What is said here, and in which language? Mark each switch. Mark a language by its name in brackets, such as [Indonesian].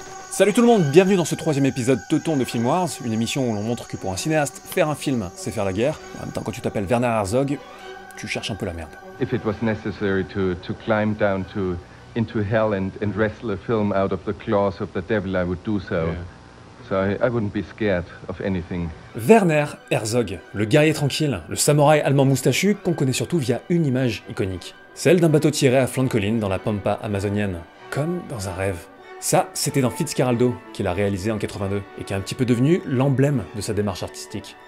[French] Salut tout le monde, bienvenue dans ce troisième épisode Teuton de Film Wars, une émission où l'on montre que pour un cinéaste, faire un film, c'est faire la guerre. En même temps, quand tu t'appelles Werner Herzog, tu cherches un peu la merde. [English] If it was necessary to climb down to into hell and wrestle a film out of the claws of the devil, I would do so. Yeah. So I wouldn't be scared of anything. [French] Werner Herzog, le guerrier tranquille, le samouraï allemand moustachu qu'on connaît surtout via une image iconique. Celle d'un bateau tiré à flanc de colline dans la pampa amazonienne, comme dans un rêve. Ça, c'était dans Fitzcarraldo qu'il a réalisé en 82 et qui est un petit peu devenu l'emblème de sa démarche artistique.